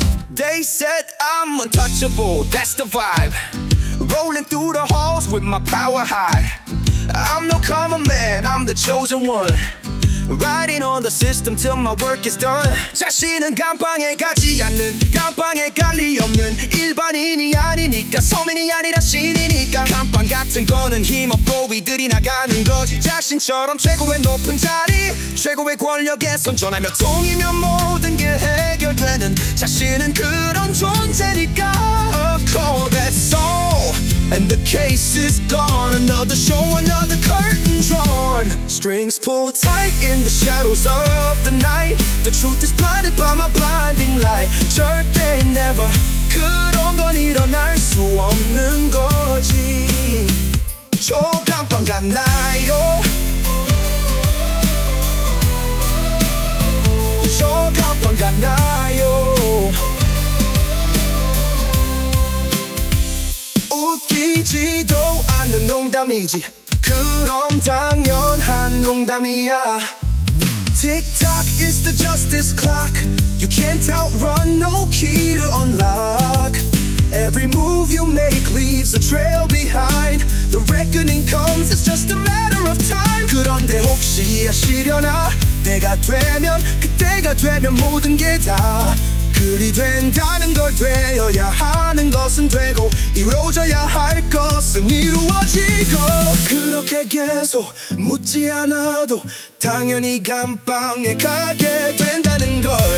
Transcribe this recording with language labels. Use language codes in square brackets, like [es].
[en] They said I'm untouchable. That's the vibe. Rolling through the halls with my power high. I'm no common man, I'm the chosen one. Riding on the system till my work is done. [ko] 자신은 감방에 가지 않는, 감방에 갈 리 없는 일반인이 아니니까, 서민이 아니라 신이니까. 감방 같은 거는 힘없고 위들이 나가는 거지. 자신처럼 최고의 높은 자리, 최고의 권력에 선전하며 통이면 모든 게 해결되는, 자신은 그런 존재니까. [en] Of course that's all. And the case is gone. Another show, another curtain drawn. Strings pulled tight in the shadows of the night. The truth is blinded by my blinding light. [ko] 절대 never 그런 건 일어날 수 없는 거지. 저 감방 갔나요? 저 감방 갔나요? 웃기지도 않는 농담이지. 그럼 당연한 농담이야. [en] Tick-tock is the justice clock. You can't outrun, no key to unlock. Every move you make leaves a trail behind. The reckoning comes, it's just a matter of time. [ko] 그런데 혹시 아시려나. 그때가 되면 모든 게 다 그리 된다는 걸. 되어야 하는 것은 되고 이루어져야 할 것은 이루어지고. 그렇게 계속 묻지 않아도 당연히 감방에 가게 된다는 걸.